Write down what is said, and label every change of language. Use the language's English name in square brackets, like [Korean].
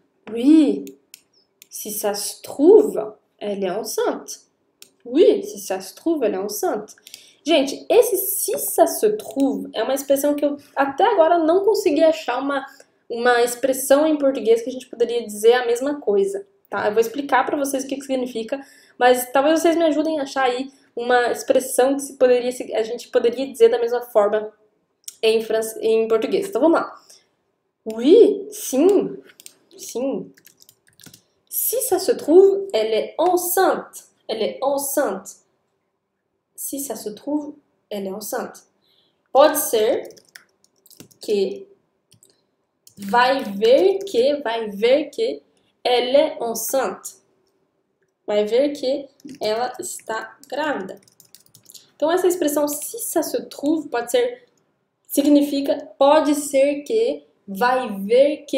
[French] Oui, si ça se trouve, elle est enceinte. Oui, si ça se trouve, elle est enceinte. [Portuguese] Gente, esse [French] si ça se trouve [Portuguese] é uma expressão que eu até agora não consegui achar uma expressão em português que a gente poderia dizer a mesma coisa, tá? Eu vou explicar para vocês o que que significa, mas talvez vocês me ajudem a achar aí uma expressão que a gente poderia dizer da mesma forma em português. Então vamos lá. [French] Oui, sim. Si ça se trouve, elle est enceinte. Elle est enceinte. Si ça se trouve, elle est enceinte. [Portuguese] Pode ser que. Vai ver que ela é enceinte. Vai ver que ela está grávida. Então, essa expressão, [French] si ça se trouve, [Portuguese] pode ser. Significa, pode ser que. Vai ver que.